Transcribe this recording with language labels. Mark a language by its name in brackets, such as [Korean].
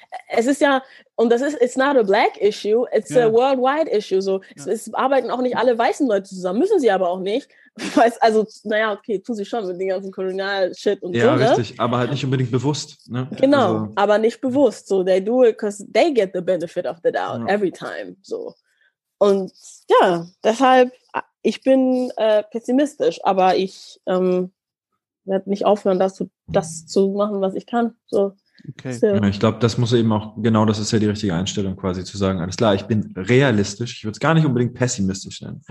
[English] It's not a black issue, it's a worldwide issue. [German] So. Ja. Es arbeiten auch nicht alle weißen Leute zusammen, müssen sie aber auch nicht. Tun sie schon mit dem ganzen Kolonial-Shit und ja, so. Ja, richtig, aber halt nicht unbedingt bewusst. Ne? Genau, also, aber nicht bewusst. [English] So, they do it because they get the benefit of the doubt every time. [German] So. Und ja, deshalb, ich bin pessimistisch, aber ich werde nicht aufhören, das zu machen, was ich kann. So. Okay. Ja, ich glaube, das muss eben auch, genau das ist ja die richtige Einstellung quasi zu sagen, alles klar, ich bin realistisch, ich würde es gar nicht unbedingt pessimistisch nennen.